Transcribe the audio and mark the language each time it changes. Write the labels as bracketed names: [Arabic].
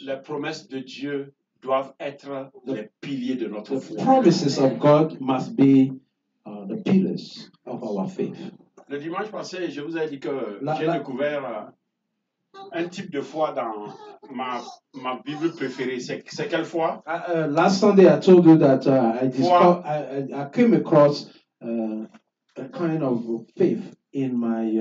[French] les promesses de Dieu doivent être les piliers de notre foi. [English] The promises of God must be the pillars of our faith. [French] Le dimanche passé, je vous ai dit que j'ai découvert un type de foi dans ma Bible préférée. C'est quelle foi? [English] Last Sunday, I told you that I came across a kind of faith in my